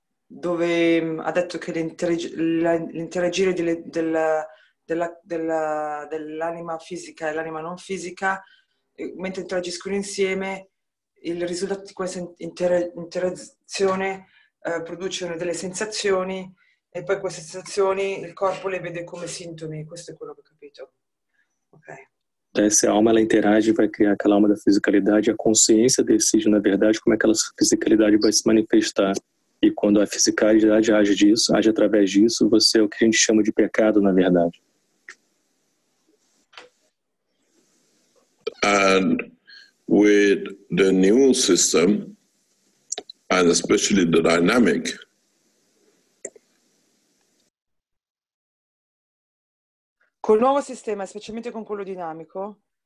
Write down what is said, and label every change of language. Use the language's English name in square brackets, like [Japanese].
[Italian] dove ha detto che l'interagire dell'anima fisica e l'anima non fisica, mentre interagiscono insieme, il risultato di questa interazione producono delle sensazioni, e poi queste sensazioni il corpo le vede come sintomi. Questo è quello che ho capito. Okay. [Portuguese] Se a alma ela interage, vai criar aquela alma da fisicalidade, a consciência decide, na verdade, como é que essa fisicalidade vai se manifestar. E quando a fisicalidade age disso, age através disso, você é o que a gente chama de pecado, na verdade. [English] And with the new system, and especially the dynamic, [Italian] col nuovo sistema, specialmente con quello dinamico,